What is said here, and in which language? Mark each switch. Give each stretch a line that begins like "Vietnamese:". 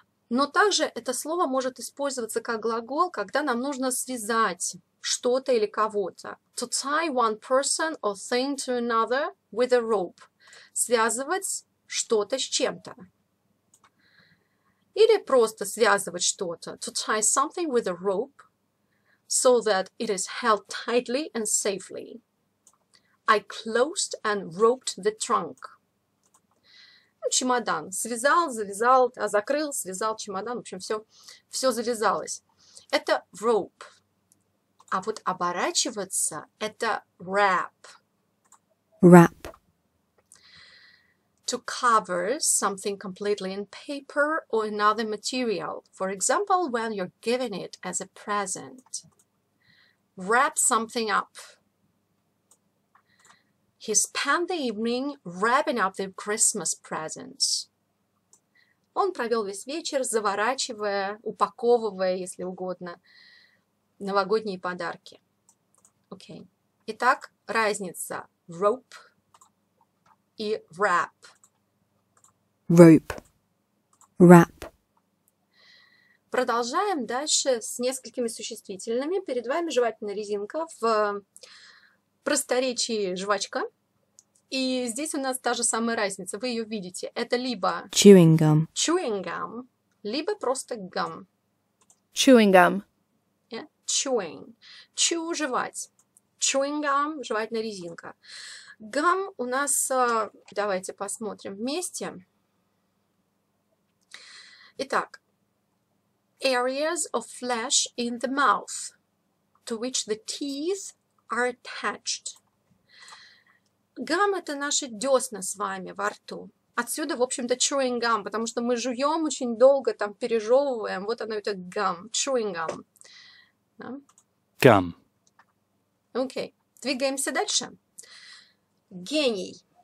Russian: Но также это слово может использоваться как глагол, когда нам нужно связать что-то или кого-то.
English: To tie one person or thing to another with a rope.
Russian: Связывать что-то с чем-то. Или просто связывать что-то.
English: To tie something with a rope so that it is held tightly and safely. I closed and roped the trunk.
Russian: Чемодан. Связал, завязал, закрыл, связал чемодан. В общем, все завязалось. Это rope. А вот оборачиваться – это wrap.
English: Wrap. To cover something completely in paper or another material. For example, when you're giving it as a present. Wrap something up. He spent the evening wrapping up the Christmas presents.
Russian: Он провел весь вечер, заворачивая, упаковывая, если угодно, новогодние подарки. Okay. Итак, разница rope и wrap.
English: Rope. Wrap.
Russian: Продолжаем дальше с несколькими существительными. Перед вами жевательная резинка в просторечии жвачка. И здесь у нас та же самая разница. Вы ее видите. Это либо
English: chewing gum. Chewing gum.
Russian: Либо просто
English: gum. Chewing gum. Yeah? Chewing. Chew –
Russian: жевать.
English: Chewing gum –
Russian: жевательная резинка. Gum у нас... Давайте посмотрим вместе. Итак.
English: Areas of flesh in the mouth to which the teeth are attached.
Russian: Гам – это наши десна с вами во рту. Отсюда, в общем-то, chewing gum, потому что мы жуем очень долго, там, пережевываем. Вот оно, это гам, chewing gum. Да?
English: Gum.
Russian: Окей. Двигаемся дальше. Гений.